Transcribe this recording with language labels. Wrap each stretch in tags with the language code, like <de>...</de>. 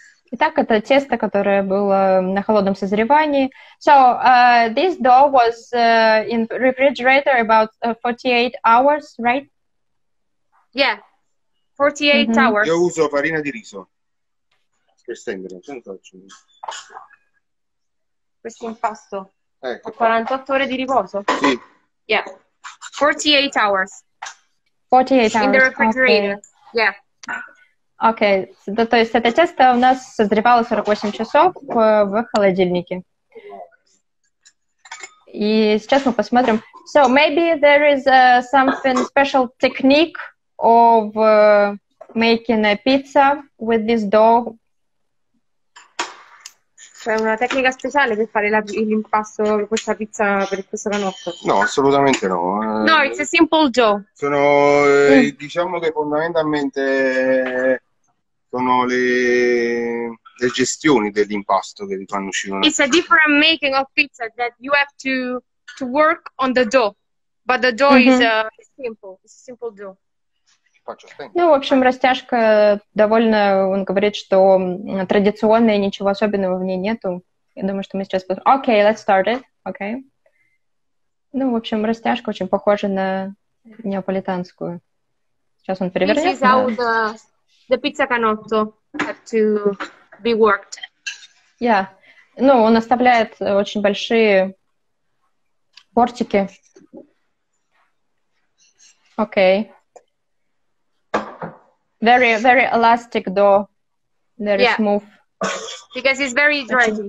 <ru>Итак, это тесто, которое было на холодном созревании.</ru> <en>So, this dough was in refrigerator about 48 hours, right? Yeah. 48 mm-hmm. hours.</en> <it>Io uso farina di riso. Per stendere, non faccio. Questo impasto. Ecco. 48 ore di riposo? Sì.</it> <en>Yeah, 48 hours. 48 hours. In the refrigerator. Okay. Yeah. Okay.</en> <ru>То есть это тесто у нас созревало 48 часов в холодильнике. И сейчас мы посмотрим.</ru> <en>So maybe there is something special technique of making a pizza with this dough.</en> <it>C'è una tecnica speciale per fare l'impasto di questa pizza per questa canotta? No, assolutamente no.</it> <en>No, it's a simple dough.</en> <it>Sono, diciamo che fondamentalmente sono le gestioni dell'impasto che ti fanno uscire.</it> <en>It's a different making of pizza that you have to to work on the dough, but the dough mm-hmm. is a simple dough.</en> <ru>Ну, в общем, растяжка довольно, он говорит, что традиционная, ничего особенного в ней нету. Я думаю, что мы сейчас...</ru> <en>Okay, let's start it. Okay.</en> <ru>Ну, в общем, растяжка очень похожа на неаполитанскую. Сейчас он перевернет.</ru> <en>This is how the pizza canotto have to be worked. Yeah.</en> <ru>Ну, он оставляет очень большие портики.</ru> <en>Okay. Very, very elastic dough. Very yeah. smooth. Because it's very dry.</en>